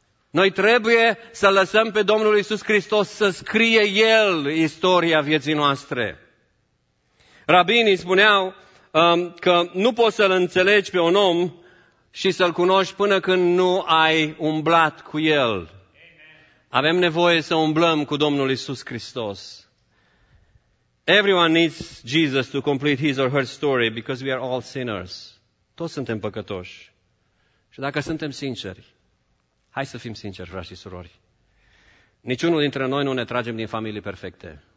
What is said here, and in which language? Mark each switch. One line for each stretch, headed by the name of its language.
Romanian: Noi trebuie să lăsăm pe Domnul Iisus Hristos să scrie El istoria vieții noastre. Rabinii spuneau că nu poți să-L înțelegi pe un om și să-L cunoști până când nu ai umblat cu El. Avem nevoie să umblăm cu Domnul Iisus Hristos.
English: Everyone needs Jesus to complete his or her story because we are all sinners.
Romanian: Toți suntem păcătoși. Și dacă suntem sinceri, hai să fim sinceri, frați și surori. Niciunul dintre noi nu ne tragem din familii perfecte.